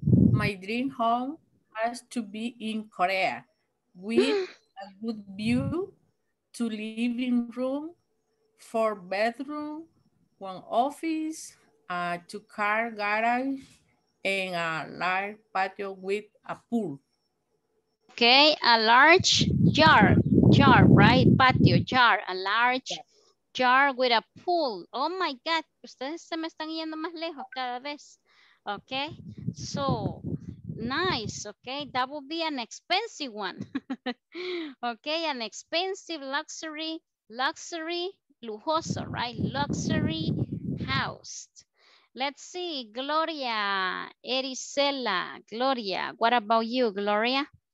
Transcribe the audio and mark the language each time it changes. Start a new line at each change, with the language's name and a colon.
English: My dream home has to be in Korea with a good view to living room, four bedroom, one office, a two-car garage, and a large patio with a pool. Okay, a large jar, right? Patio, jar, a large jar with a pool. Oh my God,
Spanish: ustedes se me están yendo más lejos cada vez.
English: Okay, so nice, okay, that would be an expensive one. Okay, an expensive luxury, lujoso, right? Luxury house. Let's see, Gloria, Erisela, Gloria, what about you, Gloria?